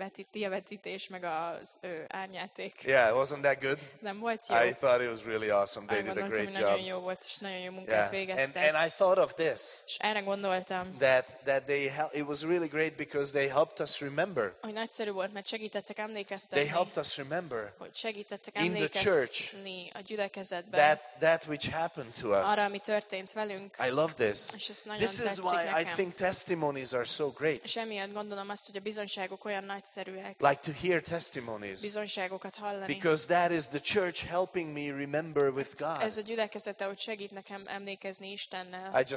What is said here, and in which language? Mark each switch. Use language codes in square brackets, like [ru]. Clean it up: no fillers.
[hu] vetítés meg az árnyáték. [en] Yeah, wasn't that good? [hu] Nem volt jó. [en] I thought it was really awesome. They did a great job. [hu] Nagyon jó volt, és nagyon jó munkát végeztek. [en] Yeah. And I thought of this. [hu] És erre gondoltam. [en] That they it was really great because they helped us remember. [hu] Hogy nagyszerű volt, mert segítettek emlékeztetni. [en] They helped us remember. [hu] Hogy segítettek emlékeztetni a gyülekezetben. [en] That which happened to us. [hu] Arra, ami történt velünk. [en] I love this. [hu] És ez nagyon [en] this is why [hu] nekem. [en] I think testimonies are so great. [hu] Emiatt gondolom azt, hogy a bizonyságok olyan nagyszerűek. [en] Like to hear testimonies. [hu] Bizonyságokat hallani. [en] Because that is the church helping me remember with God. [hu] Ez a gyülekezet, ahogy segít nekem emlékezni Istennel.